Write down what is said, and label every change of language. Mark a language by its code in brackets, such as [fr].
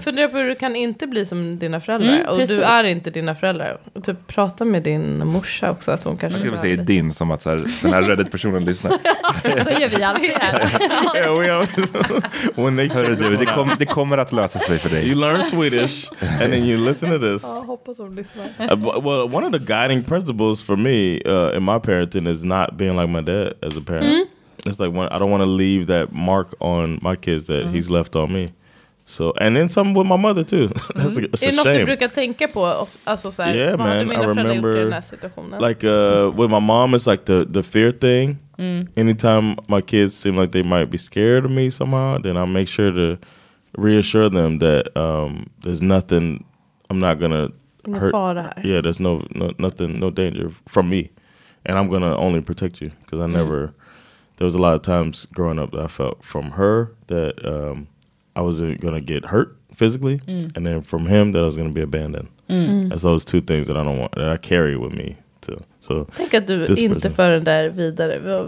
[sv] fundera på hur du kan inte bli som dina föräldrar och du är inte dina föräldrar och typ prata med din morsa också att hon kanske jag vill säga din som att så här, den här Reddit personen lyssnar så gör vi alltid det här du, det kommer att lösa sig för dig [en] you learn Swedish and then you listen to this well one of the guiding principles for me in my parenting is not being like my dad as a parent It's like when, I don't want to leave that mark on my kids that he's left on me. So and then some with my mother too. That's a shame. [sv] Är det något du brukar tänka på? Alltså så här, [en] yeah, [sv] vad man, hade mina [en] I remember. [sv] Föräldrar gjort i den här situationen? [en] Like with my mom, it's like the fear thing. Mm. Anytime my kids seem like they might be scared of me somehow, then I make sure to reassure them that there's nothing. I'm not gonna hurt. Yeah, there's no danger from me, and I'm gonna only protect you because I never. There was a lot of times growing up that I felt from her that I wasn't gonna get hurt physically, and then from him that I was going to be abandoned. And so it's two things that I don't want, that I carry with me too. So [sv] tänk att du inte för den där vidare.